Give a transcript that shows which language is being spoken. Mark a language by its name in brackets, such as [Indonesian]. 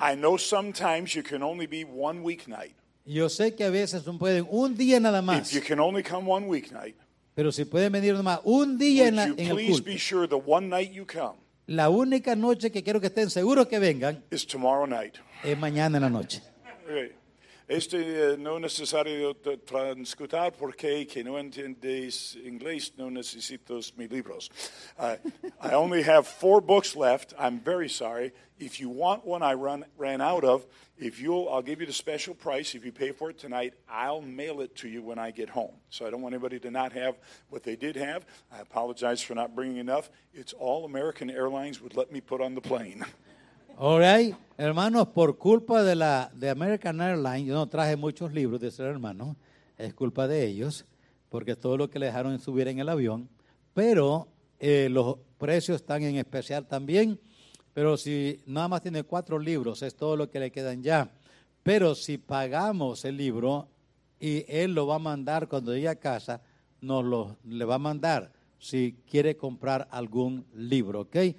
[English] I know sometimes you can only be one week night. [Spanish] Yo sé que a veces no pueden un día nada más. [English] If you can only come one week night. [Spanish] Pero si pueden venir nomás un día en el culto. [English] Would you please be sure the one night you come? [Spanish] La única noche que quiero que estén seguros que vengan. [English] Is tomorrow night. [Spanish] Es mañana en la noche. [English] Okay. [Spanish] Este no es necesario transcutar porque que no entiendes inglés, no necesito mis libros. [English] I only have 4 books left. I'm very sorry. If you want one, I ran out of. I'll give you the special price. If you pay for it tonight, I'll mail it to you when I get home. So I don't want anybody to not have what they did have. I apologize for not bringing enough. It's all American Airlines would let me put on the plane. All right. [Spanish] Hermanos, por culpa de la de American Airlines, yo no traje muchos libros de ser hermano, es culpa de ellos, porque todo lo que le dejaron subir en el avión, pero los precios están en especial también, pero si nada más tiene 4 libros, es todo lo que le quedan ya, pero si pagamos el libro y él lo va a mandar cuando llegue a casa, nos lo le va a mandar si quiere comprar algún libro, ¿ok?